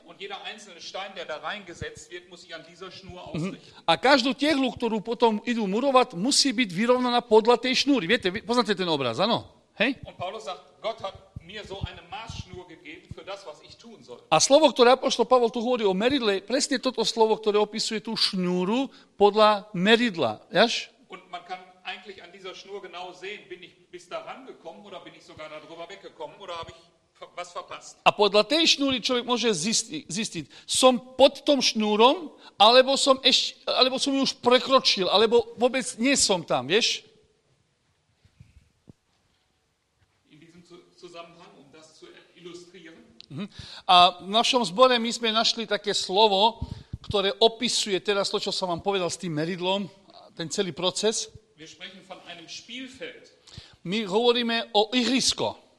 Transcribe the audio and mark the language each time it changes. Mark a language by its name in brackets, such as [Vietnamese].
[German] Und jeder einzelne Stein, der da reingesetzt wird, muss sich an dieser Schnur ausrichten. [Slovak] A každú tehlu, ktorú potom idú murovať, musí byť vyrovnaná podľa tej šnúry. Viete, poznáte ten obraz, áno? Hej? [German] Und Paulus sagt, Gott hat mir so eine Maßschnur gegeben für das, was ich tun soll. [Slovak] A slovo, ktoré apoštol Pavol tu hovorí o meridle, presne toto slovo, ktoré opisuje tú šnúru podľa meridla. Jaž? [German] Und man kann eigentlich an dieser Schnur genau sehen, bin ich bis da rangekommen oder bin ich sogar darüber weggekommen oder habe ich was verpasst. [Slovak] A podľa tej šnúry človek môže zistiť, som pod tom šnúrom, alebo som ju už prekročil, alebo vôbec nie som tam, vieš? [German] In diesem Zusammenhang, um das zu illustrieren. [Slovak] A v našom zbore my sme našli také slovo, ktoré opisuje teraz to, čo som vám povedal s tým meridlom, ten celý proces. [German] Wir sprechen von einem Spielfeld. [Slovak] My hovoríme o ihrisko.